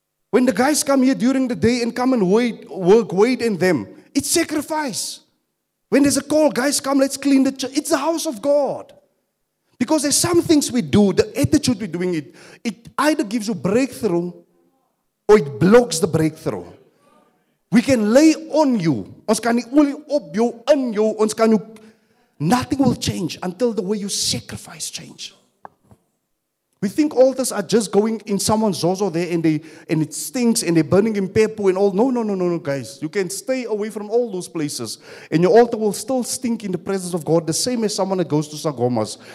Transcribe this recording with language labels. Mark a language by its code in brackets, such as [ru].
[en] When the guys come here during the day and come and wait, work, wait in them, it's sacrifice. When there's a call, guys, come, let's clean the church. It's the house of God. Because there's some things we do, the attitude we're doing it, it either gives you breakthrough or it blocks the breakthrough. We can lay on you. [af] Ons kan nie olie op jou, in jou, ons kan jou. [en] Nothing will change until the way you sacrifice change. We think altars are just going in someone's zozo there and it stinks and they're burning in pepo and all. No, guys. You can stay away from all those places and your altar will still stink in the presence of God the same as someone that goes to Sangomas.